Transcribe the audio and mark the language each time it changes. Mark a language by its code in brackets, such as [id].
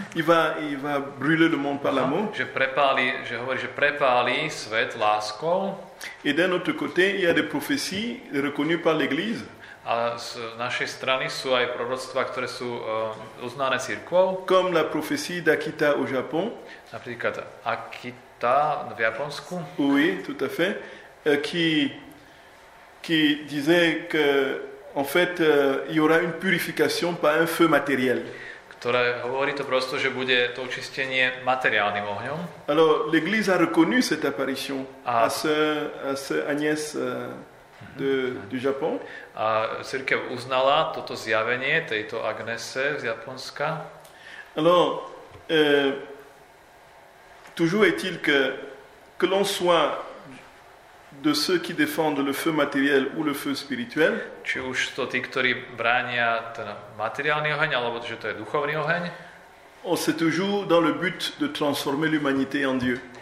[fr] Il va brûler le monde par l'amour. [sk] Je prépali svet láskou. [fr] Et d'un autre côté, il y a des prophéties reconnues par l'église. [sk] A z našej strany sú aj proroctvá, ktoré sú uznané cirkvou. [fr] Comme la prophétie d'Akita au Japon. [sk] Napríklad Akita v Japonsku. [fr] Oui, tout à fait. Qui disait que en fait, il y aura une purification par un feu matériel. [sk] Ktoré hovorí to prosto, že bude to očistenie materiálnym ohňom. [fr] Alors, l'église a reconnu cette apparition à ce Agnès du Japon. [sk] A cirkev uznala toto zjavenie tejto Agnese z Japonska. [fr] Alors, toujours est-il que l'on soit de ceux qui défendent le feu matériel ou le feu spirituel. [sk] Či už to tí, ktorí bránia ten materiálny oheň, alebo že to je duchovný oheň. [fr] On se toujours dans le but de transformer l'humanité en Dieu.